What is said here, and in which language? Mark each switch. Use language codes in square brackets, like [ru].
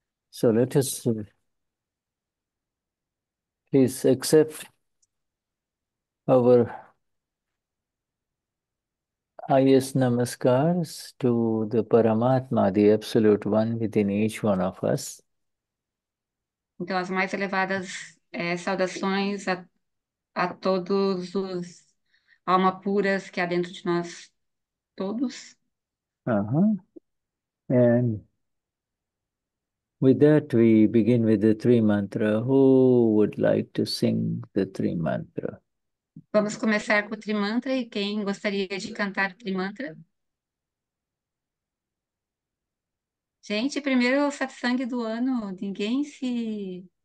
[en] So let us please accept our highest namaskars to the Paramatma, the Absolute One within each one of us. [pt] Então, as mais elevadas saudações a todos os almas puras que há dentro de nós todos. [en] And with that, we begin with the three mantra. Who would like to sing the three mantra? [pt] Vamos começar com o Trimantra e quem gostaria de cantar o Trimantra? Gente, primeiro o satsang do ano, ninguém se.